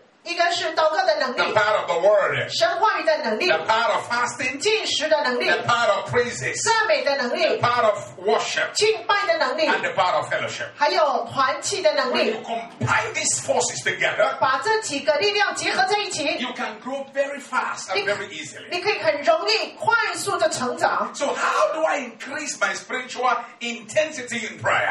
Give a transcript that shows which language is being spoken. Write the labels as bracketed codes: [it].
[zh] 一个是祷告的能力, [en] the power of the word, [zh] 神话语的能力, [en] the power of fasting, [zh] 禁食的能力, [en] the power of praises, [zh] 赞美的能力, [en] the power of worship, [zh] 敬拜的能力, [en] and the power of fellowship. [zh] 还有团契的能力, [en] when you combine these forces together, [zh] 把这几个力量结合在一起, [en] you can grow very fast and very easily. [zh] 你可以很容易快速的成长。 [en] So how do I increase my spiritual intensity in prayer?